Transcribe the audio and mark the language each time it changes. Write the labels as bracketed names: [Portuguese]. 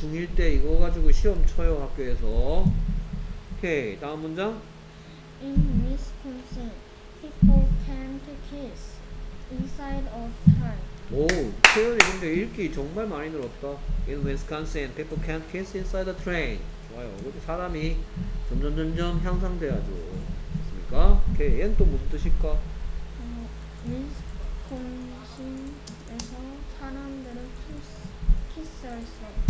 [Korean] 중1 때 이거 가지고 시험 쳐요, 학교에서. 오케이, 다음 문장. [English] In Wisconsin, people can't kiss inside of time. [Korean] 오, 채연이 근데 읽기 정말 많이 늘었다. [English] In Wisconsin, people can't kiss inside the train. [Korean] 좋아요. 이렇게 사람이 점점점점 향상돼야죠. 됐습니까? 오케이, 얘는 또 무슨 뜻일까? 미스콘신에서 사람들은 키스할 수